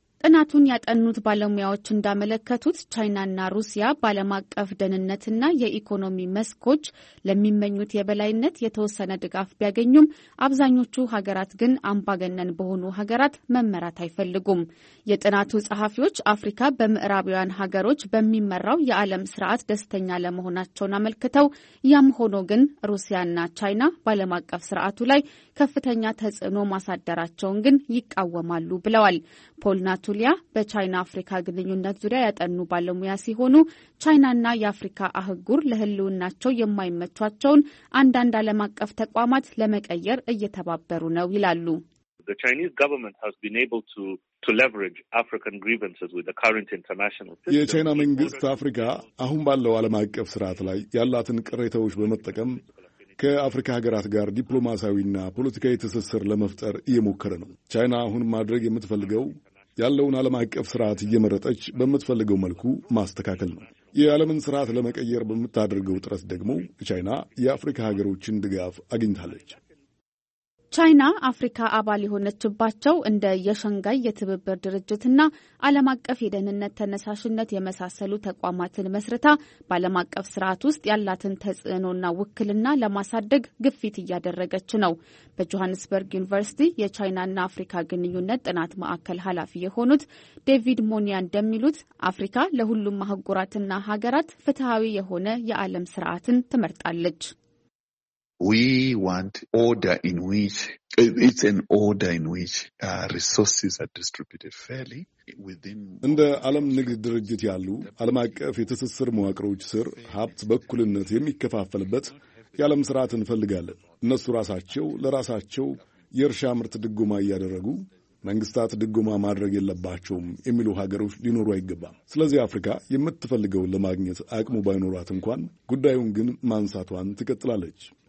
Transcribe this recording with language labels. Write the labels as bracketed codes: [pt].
[am] ጥናቱን ያጠኑት ባለሙያዎች እንዳመለከቱት ቻይናና ሩሲያ በዓለም አቀፍ ደህንነትና የኢኮኖሚ መስኮች ለሚመኙት የበላይነት የተወሰነ ድጋፍ ቢያገኙም አብዛኞቹ ሀገራት ግን አምባገነን በሆኑ ሀገራት መመራት አይፈልጉም። የጥናቱ ጸሐፊዎች አፍሪካ በምዕራባውያን ሀገሮች በሚመራው የዓለም ስርዓት ደስተኛ ለመሆናቸውን አመልክተው ያም ሆኖ ግን ሩሲያና ቻይና በዓለም አቀፍ ስርዓቱ ላይ ከፍተኛ ተጽዕኖ ማሳደራቸውን ግን ይቃወማሉ ብለዋል። ናቱሊያ በቻይና አፍሪካ ግንኙነት ዙሪያ ያጠኑ ባለሙያ ሲሆኑ ቻይናና የአፍሪካ አህጉር ለህልውናቸው የማይመቻቸውን አንዳንድ ዓለም አቀፍ ተቋማት ለመቀየር እየተባበሩ ነው ይላሉ። [en] The Chinese government has been able to leverage African grievances with the current international system. [am] የቻይና መንግስት አፍሪካ አሁን ባለው ዓለም አቀፍ ስርዓት ላይ ያላትን ቅሬታዎች በመጠቀም ከአፍሪካ ሀገራት ጋር ዲፕሎማሲያዊና ፖለቲካዊ ትስስር ለመፍጠር እየሞከረ ነው። ቻይና አሁን ማድረግ የምትፈልገው ያለውን ዓለም አቀፍ ስርዓት እየመረጠች በመትፈልገው መልኩ ማስተካከል ነው። የዓለምን ስርዓት ለመቀየር በመታደርገው ጥረት ደግሞ ቻይና የአፍሪካ ሀገሮችን ድጋፍ አግኝታለች። ቻይና አፍሪካ አባል የሆነችባቸው እንደ የሸንጋይ የትብብር ድርጅትና ዓለም አቀፍ የደህንነት ተነሳሽነት የመሳሰሉ ተቋማትን መስርታ በዓለም አቀፍ ስርዓት ውስጥ ያላትን ተጽዕኖና ውክልና ለማሳደግ ግፊት እያደረገች ነው። በጆሃንስበርግ ዩኒቨርሲቲ የቻይናና አፍሪካ ግንኙነት ጥናት ማዕከል ኃላፊ የሆኑት ዴቪድ ሞኒያን እንደሚሉት አፍሪካ ለሁሉም ማህጎራትና ሀገራት ፍትሃዊ የሆነ የዓለም ስርዓትን ትመርጣለች። [en] We want order in which it's an order in which resources are distributed fairly within [am] እንደ ዓለም ንግድ ድርጅት ያሉ ዓለም አቀፍ የተሰሰር መዋቅሮች ስር ሀብት በእኩልነት የሚከፋፈልበት የዓለም ስርዓት እንፈልጋለን። እነሱ ራሳቸው ለራሳቸው የርሻ ምርት ድጎማ ያደረጉ መንግስታት ድጎማ ማድረግ የለባቸውም የሚሉ ሀገሮች ሊኖሩ አይገባም። ስለዚህ አፍሪካ የምትፈልገው ለማግኘት አቅሙ ባይኖራት እንኳን ጉዳዩን ግን ማንሳቷን ትቀጥላለች።